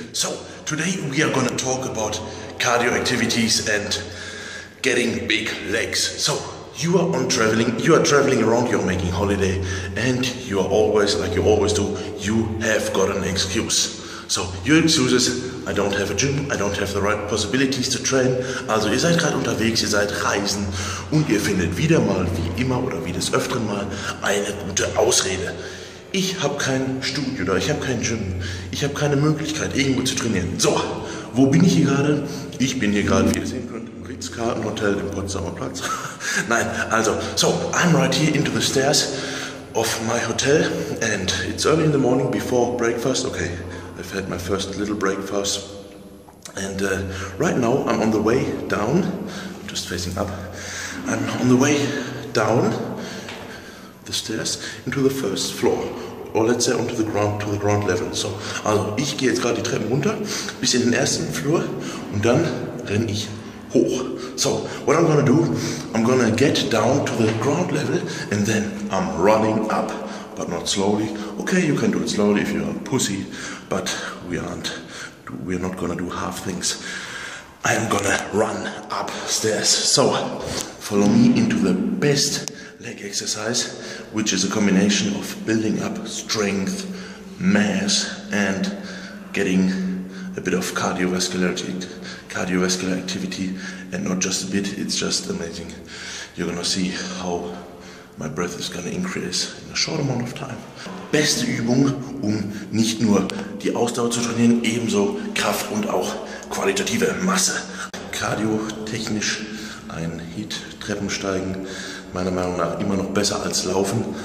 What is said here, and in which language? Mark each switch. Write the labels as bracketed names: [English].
[English] So, today we are gonna talk about cardio activities and getting big legs. So, you are on traveling, you are traveling around, you're making holiday, and you are always, like you always do, you have got an excuse. So, your excuse is, I don't have a gym, I don't have the right possibilities to train. [German] Also, ihr seid gerade unterwegs, ihr seid reisen und ihr findet wieder mal, wie immer oder wie des öfteren mal, eine gute Ausrede. Ich habe kein Studio oder ich habe kein Gym. Ich habe keine Möglichkeit, irgendwo zu trainieren. So, wo bin ich hier gerade? Ich bin hier gerade, wie ihr sehen könnt, im Ritz-Carlton-Hotel im Potsdamer Platz. Nein, also, [English] so, I'm right here into the stairs of my hotel and it's early in the morning before breakfast. Okay, I've had my first little breakfast and right now I'm on the way down, just facing up, I'm on the way down the stairs into the first floor, or let's say onto the ground, to the ground level. [German] So, also, ich gehe jetzt gerade die Treppen runter bis in den ersten Flur und dann renne ich hoch. [English] So, what I'm gonna do, I'm gonna get down to the ground level and then I'm running up, but not slowly. Okay, you can do it slowly if you're a pussy, but we're not gonna do half things. I'm gonna run upstairs. So, follow me into the best leg exercise, which is a combination of building up strength, mass, and getting a bit of cardiovascular activity, and not just a bit, it's just amazing. You're gonna see how my breath is gonna increase in a short amount of time. [German] Beste Übung, um nicht nur die Ausdauer zu trainieren, ebenso Kraft und auch qualitative Masse. Cardio-technisch ein Hit, Treppensteigen, meiner Meinung nach immer noch besser als Laufen.